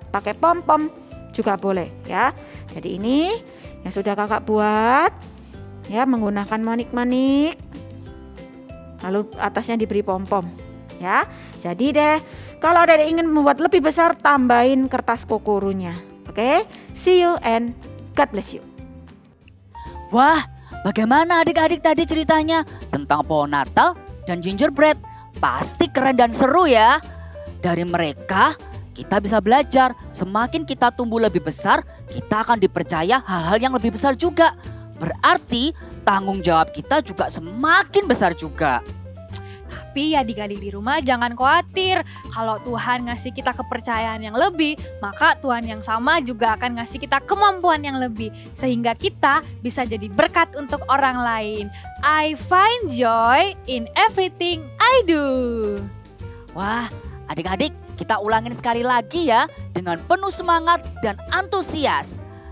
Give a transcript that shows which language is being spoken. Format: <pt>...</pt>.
<id>Pakai pom-pom juga boleh, ya. Jadi ini yang sudah kakak buat, ya, menggunakan manik-manik, lalu atasnya diberi pom-pom, ya. Jadi deh, kalau ada yang ingin membuat lebih besar, tambahin kertas kokorunya.</id> <en>Oke, see you and God bless you.</en> <id>Wah, bagaimana adik-adik tadi ceritanya tentang pohon Natal dan gingerbread? Pasti keren dan seru ya. Dari mereka kita bisa belajar, semakin kita tumbuh lebih besar, kita akan dipercaya hal-hal yang lebih besar juga. Berarti tanggung jawab kita juga semakin besar juga. Tapi ya digali di rumah, jangan khawatir. Kalau Tuhan ngasih kita kepercayaan yang lebih, maka Tuhan yang sama juga akan ngasih kita kemampuan yang lebih. Sehingga kita bisa jadi berkat untuk orang lain.</id> <en>I find joy in everything I do.</en> <id>Wah, adik-adik, kita ulangin sekali lagi ya dengan penuh semangat dan antusias.</id>